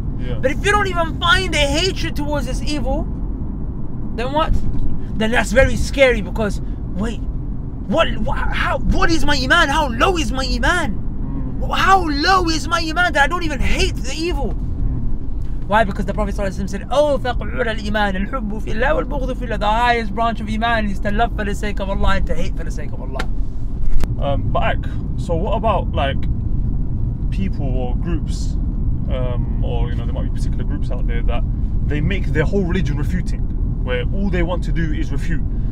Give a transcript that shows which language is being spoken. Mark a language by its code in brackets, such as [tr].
[en] Yeah. But if you don't even find a hatred towards this evil, then what? Then that's very scary because, wait, What is my Iman? How low is my Iman? How low is my Iman that I don't even hate the evil? Why? Because the Prophet said, "Oh, [ar] فَقْعُرْ الْإِيمَانِ الْحُبُّ فِي اللَّهِ وَالْبُغْضُ فِي اللَّهِ." [en] The highest branch of Iman is to love for the sake of Allah and to hate for the sake of Allah. Back. So what about like people or groups, or you know, there might be particular groups out there that they make their whole religion refuting, where all they want to do is refute.